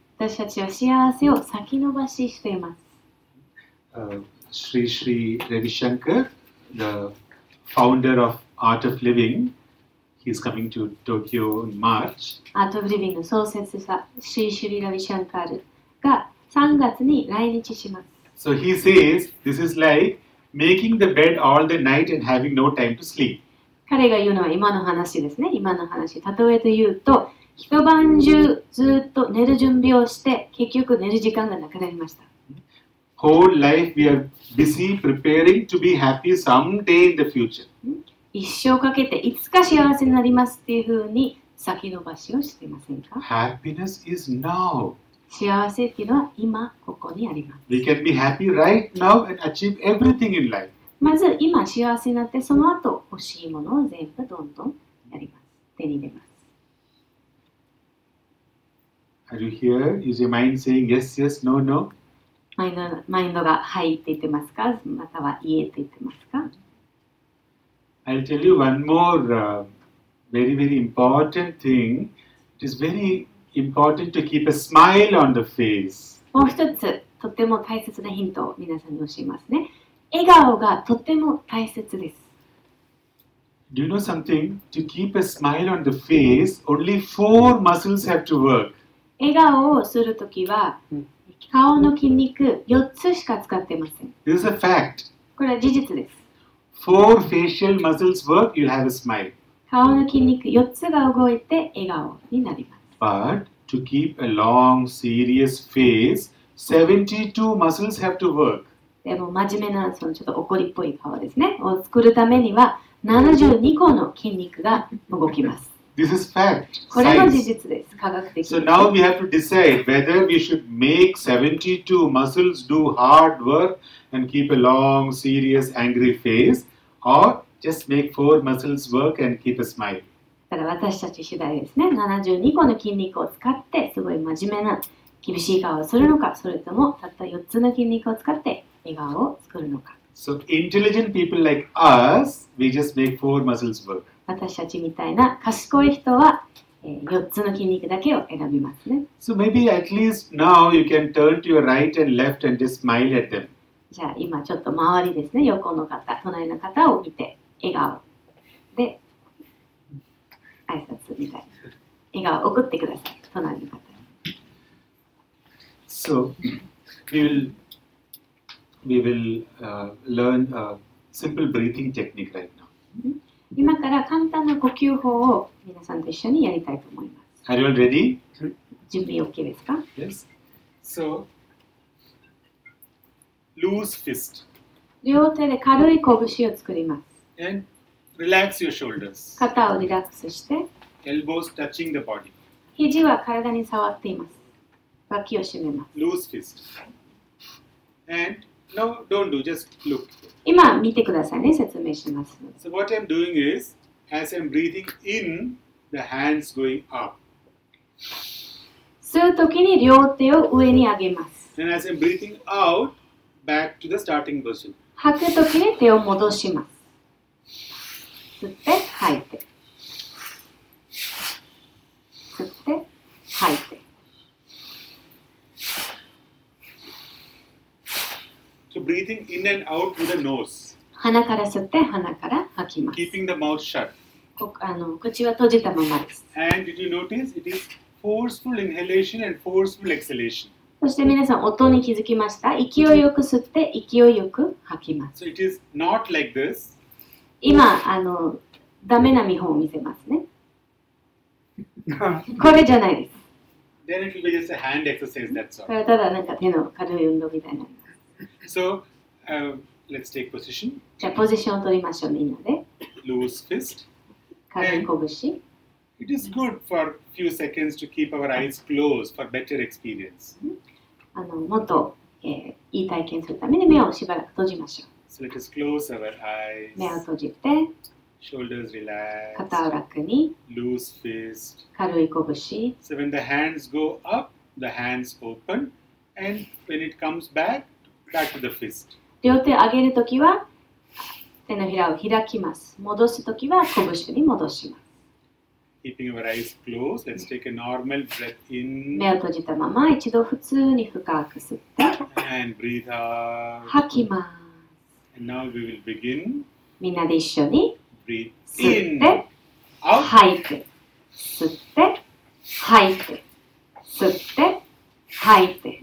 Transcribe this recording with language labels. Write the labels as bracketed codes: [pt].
[ja] 私たちは幸せを先延ばししています。 [en] Shri Shri Ravi Shankar, the founder of Art of Living,He's coming to Tokyo in March. [ja] Art of Living の創設者、シュリ・シュリ・ラビ・シャンカールが3月に来日します。 [en] So he says, this is like making the bed all the night and having no time to sleep. [ja] 彼が言うのは今の話ですね。今の話。例えて言うと、一晩中ずっと寝る準備をして、結局寝る時間がなくなりました。 [en] Whole life we are busy preparing to be happy someday in the future. [ja] 一生かけていつか幸せになりますっていうふうに先延ばしをしていませんか。 [en] Happiness is now. [ja] 幸せっていうのは今ここにあります。 [en] We can be happy right now and achieve everything in life. [ja] まず今幸せになって、その後欲しいものを全部どんどんやります。手に入れます。 [en] Are you here? Is your mind saying yes, yes, no, no? [ja] マインドが入っていてますか、または言えていてますか。 [en] I'll tell you one more very very important thing. It is very important to keep a smile on the face. [ja] もう一つとても大切なヒントを皆さんに教えますね。笑顔がとても大切です。 [en] Do you know something? To keep a smile on the face, only four muscles have to work. [ja] 笑顔をするときは、顔の筋肉4つしか使っていません。 [en] This is a fact. [ja] これは事実です。 [en] Four facial muscles work, you have a smile. [ja] 顔の筋肉4つが動いて笑顔になります。 [en] But to keep a long, serious face, 72 muscles have to work. [ja] でも真面目な、そのちょっと怒りっぽい顔ですね。を作るためには72個の筋肉が動きます。 [en] This is fact. [ja] これも事実です。科学的に。 [en] So now we have to decide whether we should make 72 muscles do hard work and keep a long, serious, angry face or just make 4 muscles work and keep a smile. [ja] だから私たち次第ですね。72個の筋肉を使ってすごい真面目な厳しい顔をするのか、それともたった4つの筋肉を使って笑顔を作るのか。 [en] So intelligent people like us, we just make 4 muscles work. [ja] 私たちみたいな賢い人は、4つの筋肉だけを選びますね。 [en] So maybe at least now you can turn to your right and left and just smile at them. [ja] じゃあ今ちょっと周りですね、横の方、隣の方を見て、笑顔で挨拶みたいな。笑顔を送ってください、隣の方に。 [en] So we will learn a simple breathing technique right now. [ja] 今から簡単な呼吸法を皆さんと一緒にやりたいと思います。 [en] Are you ready? [ja] 準備 OK ですか? [en] Yes. So, loose fist. [ja] 両手で軽い拳を作ります。 [en] And relax your shoulders. [ja] 肩をリラックスして。 [en] Elbows touching the body. [ja] 肘は体に触っています。脇を締めます。 [en] Loose fist. And no, don't do, just look. [ja] 今見てくださいね、説明します。 [en] So what I'm doing is, as I'm breathing in, the hands going up. [ja] 吸うときに両手を上に上げます。 [en] And as I'm breathing out, back to the starting position. [ja] 吐くときに手を戻します。吸って、吐いて。吸って、吐いて。 [en] Breathing in and out with the nose. [ja] 鼻から吸って鼻から吐きます。 [en] Keeping the mouth shut. [ja] 口は閉じたままです。 [en] And did you notice it is forceful inhalation and forceful exhalation? [ja] そして皆さん音に気づきました。勢いよく吸って勢いよく吐きます。 [en] So it is not like this. [ja] 今ダメな見本を見せますね。これじゃないです。 [en] Then it will be just a hand exercise. That's all. [ja] これただなんか手の軽い運動みたいな。 [en] So, let's take position. [ja] じゃあポジションを取りましょう、みんなで。 [en] Loose fist. [ja] 軽い拳。 [en] It is good for a few seconds to keep our eyes closed for better experience. [ja] もっと、いい体験するために目をしばらく閉じましょう。 [en] So let us close our eyes. [ja] 目を閉じて。 [en] Shoulders relax. [ja] 肩を楽に。 [en] Loose fist. [ja] 軽い拳。 [en] So when the hands go up, the hands open. And when it comes back,Back to the fist. [ja] 両手を上げるときは手のひらを開きます。戻すときは拳に戻します。 [en] Keeping our eyes closed, let's take a normal breath in. [ja] 目を閉じたまま一度普通に深く吸って。 [en] And breathe out. [ja] 吐きます。 [en] And now we will begin. [ja] みんなで一緒に [en] breathe [ja] 吸って、 [en] out. [ja] 吐いて。吸って、吐いて。吸って、吐いて。